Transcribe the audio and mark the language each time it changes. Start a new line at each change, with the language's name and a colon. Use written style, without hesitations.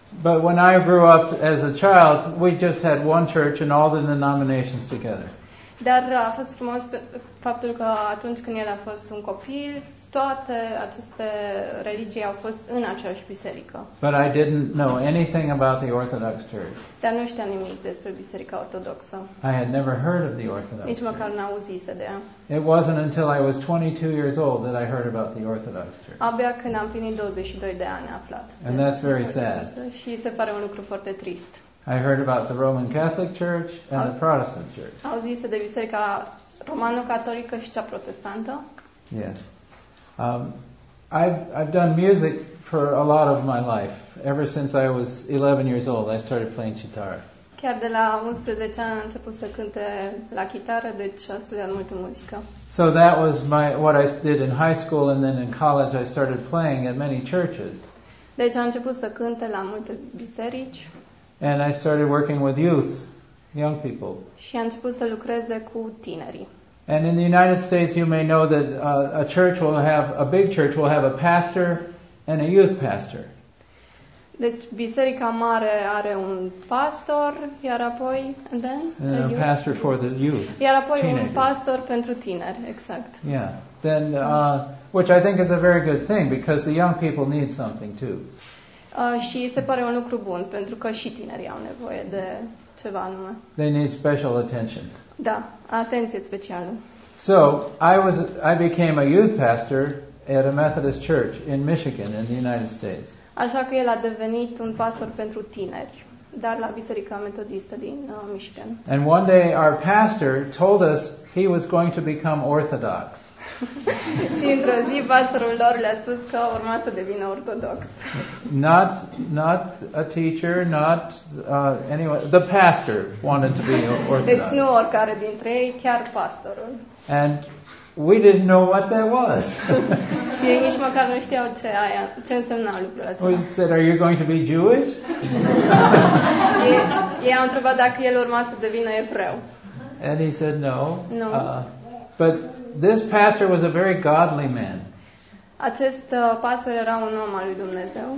English: But when I grew up as a child, we just had one church and all the denominations together.
Romanian: Dar a fost frumos faptul că atunci când el a fost un copil, toate aceste religii au fost în aceeași biserică.
English: But I didn't know anything about the Orthodox Church.
Romanian: Dar nu știam nimic despre Biserica Ortodoxă.
English: I had never heard of the Orthodox
Romanian: Church. Nici măcar n-auzise de ea.
English: It wasn't until I was 22 years old that I heard about the Orthodox Church.
Romanian: Abia când am plinit 22 de ani aflat.
English: And that's very sad.
Romanian: Și se pare un lucru foarte trist.
English: I heard about the Roman Catholic Church and the Protestant Church.
Romanian: Auzise de Biserica Romano-Catolică și cea Protestantă?
English: Yes. I've done music for a lot of my life. Ever since I was 11 years old, I started playing chitară.
Romanian: Chiar de la 11 ani am început să cânte la chitară, deci am studiat multă muzică.
English: So that was what I did in high school, and then in college I started playing at many churches.
Romanian: Deci am început să cânte la multe biserici.
English: And I started working with youth, young people.
Romanian: Și am început să lucreze cu tinerii.
English: And in the United States, you may know that a church will have, a big church will have a pastor and a youth pastor.
Romanian: Deci, biserica mare are un pastor, iar apoi,
English: and then? And a pastor for the youth,
Romanian: iar apoi teenager. Un pastor pentru tineri, exact.
English: Yeah, then, which I think is a very good thing, because the young people need something too.
Romanian: Și se pare un lucru bun, pentru că și tinerii au nevoie de ceva anume.
English: They need special attention.
Romanian: Da, atenție specială.
English: So, I became a youth pastor at a Methodist church in Michigan in the United States.
Romanian: Așa că el a devenit un pastor pentru tineri, dar la biserica metodistă din Michigan.
English: And one day our pastor told us he was going to become Orthodox.
Romanian: Și într-o zi pastorul lor le-a spus că urma să devină ortodox.
English: Not a teacher, not anyway, the pastor wanted to be orthodox.
Romanian: Deci nu oricare dintre ei, chiar pastorul.
English: And we didn't know what that was.
Romanian: Și ei nici măcar nu știau ce însemna lucrul acela.
English: We said, are you going to be Jewish?
Romanian: Ei au întrebat dacă el urma să devină evreu.
English: And he said no. No. But this pastor was a very godly man.
Romanian: Acest pastor era un om al lui Dumnezeu.